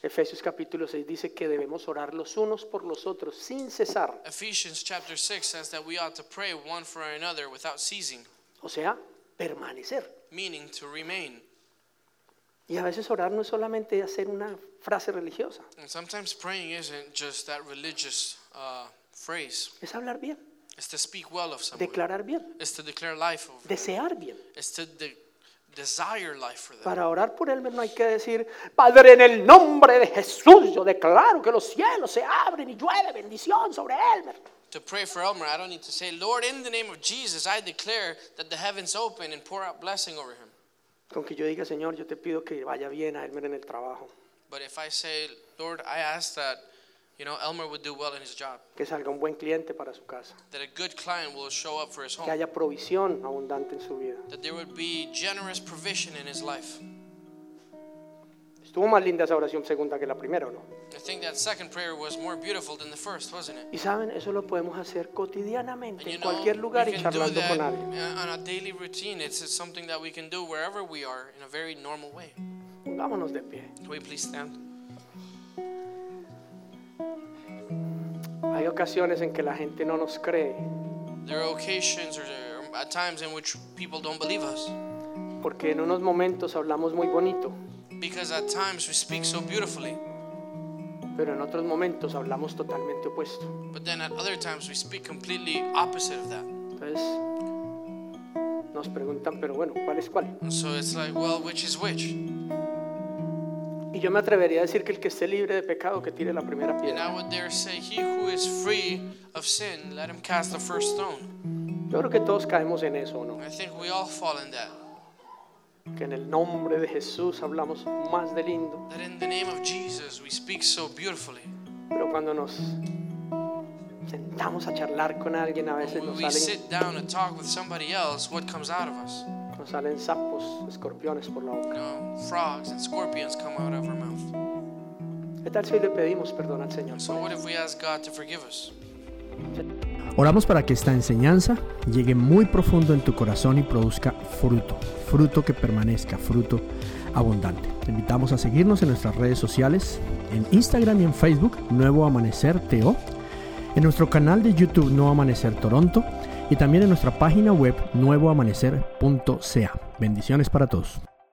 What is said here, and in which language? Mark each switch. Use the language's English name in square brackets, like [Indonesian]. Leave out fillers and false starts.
[Spanish] Efesios capítulo 6 dice que debemos orar los unos por los otros sin cesar. [English] Ephesians chapter 6 says that we ought to pray one for another without ceasing. [Spanish] O sea, permanecer. [English] Meaning to remain. [Spanish] Y a veces orar no es solamente hacer una frase religiosa. [English] And sometimes praying isn't just that religious phrase. [Spanish] Es hablar bien. [English] It's to speak well of someone. [Spanish] Declarar bien. [English] It's to declare life of them. [Spanish] Desear bien. [English] It's to desire life for them. [Spanish] Para orar por él no hay que decir, Padre, en el nombre de Jesús, yo declaro que los cielos se abren y llueve bendición sobre él. [English] To pray for Elmer, I don't need to say, Lord, in the name of Jesus, I declare that the heavens open and pour out blessing over him. [Spanish] Con que yo diga, Señor, yo te pido que vaya bien a Elmer en el trabajo. [English] But if I say, Lord, I ask that, you know, Elmer would do well in his job. [Spanish] Que salga un buen cliente para su casa. [English] That a good client will show up for his home. [Spanish] Que haya provisión abundante en su vida. [English] That there would be generous provision in his life. [Spanish] Estuvo más linda esa oración segunda que la primera, ¿no? [English] I think that second prayer was more beautiful than the first, wasn't it? [Spanish] Y saben, eso lo podemos hacer cotidianamente, en cualquier lugar y charlando con alguien. [English] And you know, we can do that on a daily routine. It's something that we can do wherever we are in a very normal way. [Spanish] Pongámonos de pie. [English] Can we please stand? [Spanish] Hay ocasiones en que la gente no nos cree. [English] There are occasions or at times in which people don't believe us. [Spanish] Porque en unos momentos hablamos muy bonito. [English] Because at times we speak so beautifully. [Spanish] Pero en otros momentos hablamos totalmente opuesto. [English] But then at other times we speak completely opposite of that. [Spanish] Entonces, nos preguntan, pero bueno, ¿cuál es cuál? [English] So it's like, well, which is which? [Spanish] Y yo me atrevería a decir que el que esté libre de pecado, que tire la primera piedra. [English] And I would dare say, he who is free of sin, let him cast the first stone. [Spanish] Yo creo que todos caemos en eso, ¿no? [English] I think we all fall in that. [Spanish] Que en el nombre de Jesús hablamos más de lindo. [English] That in the name of Jesus we speak so beautifully. [Spanish] Pero cuando nos sentamos a charlar con alguien, a veces [English] when [Spanish] nos salen. [English] When we sit down to talk with somebody else, what comes out of us? [Spanish] Nos salen sapos, escorpiones por la boca. [English] No, frogs and scorpions come out of our mouth. [Spanish] ¿Qué tal si le pedimos perdón al Señor? [English] So what if we ask God to forgive us? [Spanish] Oramos para que esta enseñanza llegue muy profundo en tu corazón y produzca fruto, fruto que permanezca, fruto abundante. Te invitamos a seguirnos en nuestras redes sociales, en Instagram y en Facebook, Nuevo Amanecer TO, en nuestro canal de YouTube, Nuevo Amanecer Toronto, y también en nuestra página web, nuevoamanecer.ca. Bendiciones para todos.